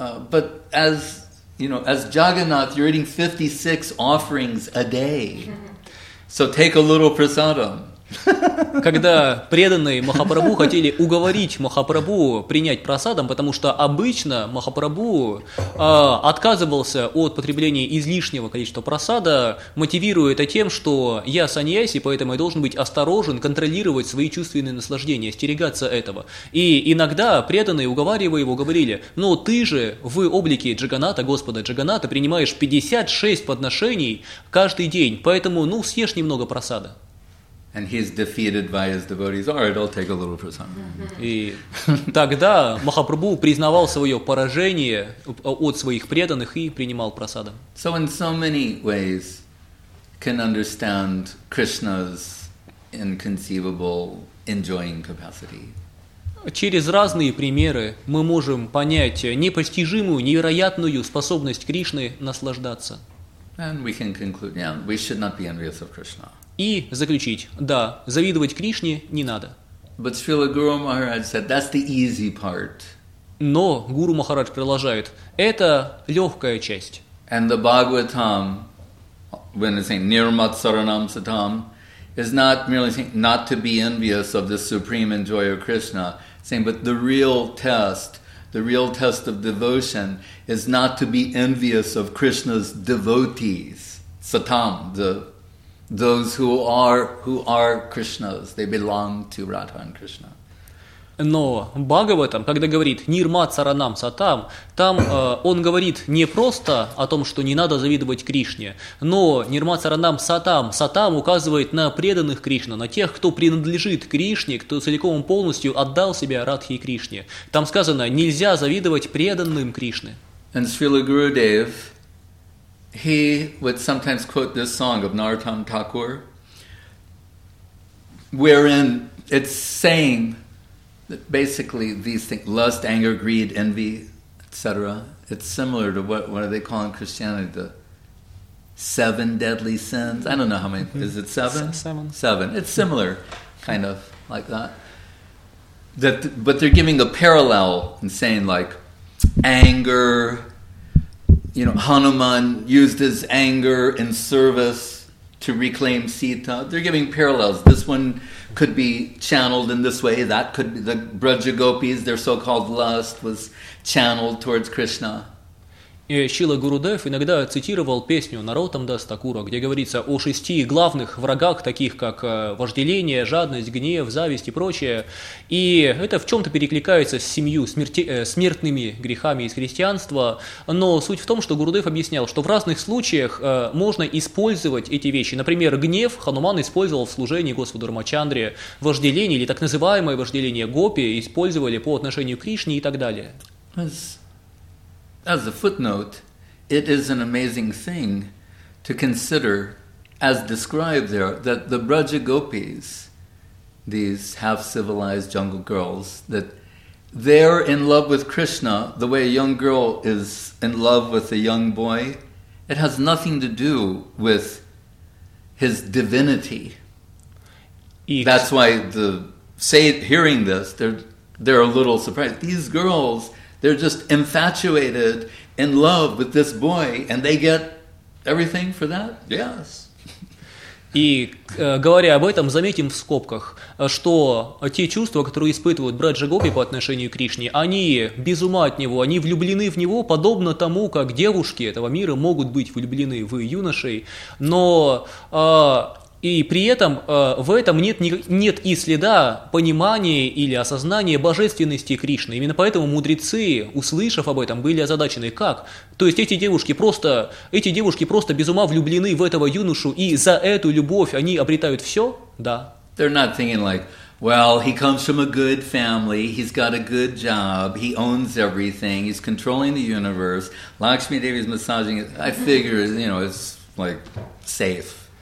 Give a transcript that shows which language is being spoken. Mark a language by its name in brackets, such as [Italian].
[English] but as you know, as Jagannath, you're eating 56 offerings a day, so take a little prasadam. [Russian] Когда преданные Махапрабху хотели уговорить Махапрабху принять прасадам, потому что обычно Махапрабху отказывался от потребления излишнего количества прасада, мотивируя это тем, что я саньяси, поэтому я должен быть осторожен, контролировать свои чувственные наслаждения, остерегаться этого. И иногда преданные, уговаривая его, говорили: «Но ты же в облике Джаганната, Господа Джаганната, принимаешь 56 подношений каждый день, поэтому ну съешь немного прасада». [English] And he's defeated by his devotees. All right, I'll take a little prasadam. [Russian] И тогда Махапрабху признавал свое поражение от своих преданных и принимал прасадам. [English] So in so many ways can understand Krishna's inconceivable enjoying capacity. [Russian] Через разные примеры мы можем понять непостижимую, невероятную способность Кришны наслаждаться. [English] And we can conclude, yeah, we should not be envious of Krishna. [Russian] И заключить, да, завидовать Кришне не надо. [English] But Srila Guru Maharaj said, that's the easy part. [Russian] Но Гуру Махарадж продолжает, это легкая часть. [English] And the Bhagavatam, when it's saying Nirmat Saranam Satam, is not merely saying not to be envious of the supreme enjoyer Krishna, saying, but the real test of devotion is not to be envious of Krishna's devotees, Satam, the those who are Krishna's, they belong to Radha and Krishna. [Russian] Но Бхагаватам, когда говорит Нирмат Саранам Сатам, там он говорит не просто о том, что не надо завидовать Кришне, но Нирмат Саранам Сатам, Сатам указывает на преданных Кришне, на тех, кто принадлежит Кришне, кто целиком и полностью отдал себя Радхе и Кришне. Там сказано, нельзя завидовать преданным Кришне. [English] And Srila Gurudev, he would sometimes quote this song of Narottam Thakur, wherein it's saying that basically these things, lust, anger, greed, envy, etc., it's similar to what do they call in Christianity, the seven deadly sins. I don't know how many, is it seven? Seven. It's similar, kind of like that. That, but they're giving a parallel and saying like anger, you know, Hanuman used his anger in service to reclaim Sita. They're giving parallels. This one could be channeled in this way. That could be the Braja Gopis, their so-called lust was channeled towards Krishna. [Russian] И Шрила Гурудев иногда цитировал песню Наротам Дас Такура, где говорится о шести главных врагах, таких как вожделение, жадность, гнев, зависть и прочее. И это в чем-то перекликается с семью смертными грехами из христианства. Но суть в том, что Гурудев объяснял, что в разных случаях можно использовать эти вещи. Например, гнев Хануман использовал в служении Господу Рамачандре, вожделение или так называемое вожделение гопи использовали по отношению к Кришне и так далее. [English] As a footnote, it is an amazing thing to consider, as described there, that the Braja Gopis, these half-civilized jungle girls, that they're in love with Krishna the way a young girl is in love with a young boy. It has nothing to do with his divinity. That's why hearing this, they're a little surprised. These girls, they're just infatuated in love with this boy, and they get everything for that? Yes. [Russian] И говоря об этом, заметим в скобках, что те чувства, которые испытывают Браджа Гопи по отношению к Кришне, они без ума от него, они влюблены в него, подобно тому, как девушки этого мира могут быть влюблены в юношей. Но и при этом в этом нет и следа понимания или осознания божественности Кришны. Именно поэтому мудрецы, услышав об этом, были озадачены. Как? То есть эти девушки просто без ума влюблены в этого юношу, и за эту любовь они обретают все? Да. [English] They're not thinking like, Well, he comes from a good family. He's got a good job. He owns everything. He's controlling the universe. Lakshmi Devi is massaging it. I figure, you know, it's like safe.